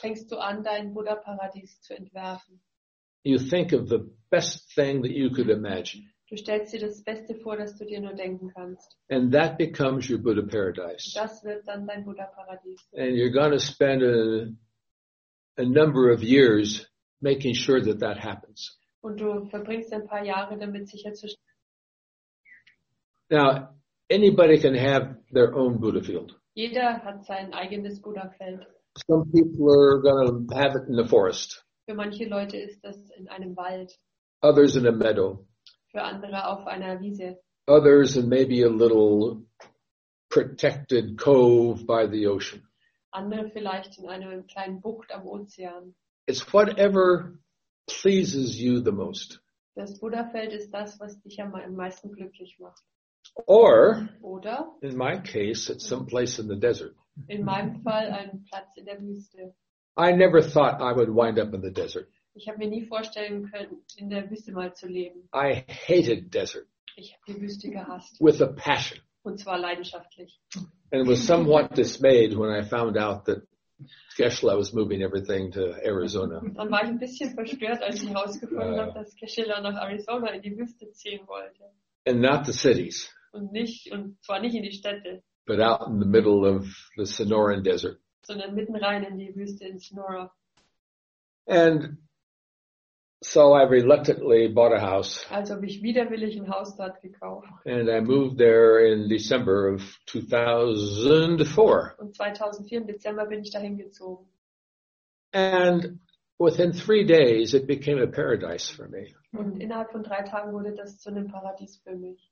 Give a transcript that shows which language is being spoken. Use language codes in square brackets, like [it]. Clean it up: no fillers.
[de] Fängst du an, dein Buddha-Paradies zu entwerfen. [en] You think of the best thing that you could imagine. [de] Du stellst dir das Beste vor, das du dir nur denken kannst. [en] And that becomes your Buddha paradise. [de] Das wird dann dein Buddha-Paradies. [en] And you're going to spend a number of years making sure that that happens. [de] Und du verbringst ein paar Jahre damit sicherzustellen. [en] Now, anybody can have their own Buddha field. [de] Jeder hat sein eigenes Buddha-Feld. [en] Some people are going to have it in the forest. [de] Für manche Leute ist das in einem Wald. [en] Others in a meadow. [de] Für andere auf einer Wiese. [en] Others in maybe a little protected cove by the ocean. [de] Andere vielleicht in einem kleinen Bucht am Ozean. [en] It's whatever pleases you the most. [de] Das Buddha-Feld ist das, was dich am meisten glücklich macht. [en] Or, [de] oder, [en] in my case, it's some place in the desert. [de] In meinem Fall ein Platz in der Wüste. [en] I never thought I would wind up in the desert. [de] Ich habe mir nie vorstellen können, in der Wüste mal zu leben. [en] I hated desert. [de] Ich habe die Wüste gehasst. [en] With a passion. [de] Und zwar leidenschaftlich. [en] And was somewhat dismayed when I found out that Geshe-la was moving everything to Arizona. [de] Dann war ich ein bisschen verstört, als ich herausgefunden habe, dass Geshe-la nach Arizona in die Wüste ziehen wollte. [en] And not the cities. [de] Und zwar nicht in die Städte. [en] But out in the middle of the Sonoran Desert. [de] Sondern mitten rein in die Wüste in Sonora. [en] And so I reluctantly bought a house. [de] Also habe ich widerwillig ein Haus dort gekauft. [en] And I moved there in December of 2004. [de] Und 2004 im Dezember bin ich dahin gezogen. [en] And within 3 days, it became a paradise for me. [de] Und innerhalb von 3 Tagen wurde das zu einem Paradies für mich.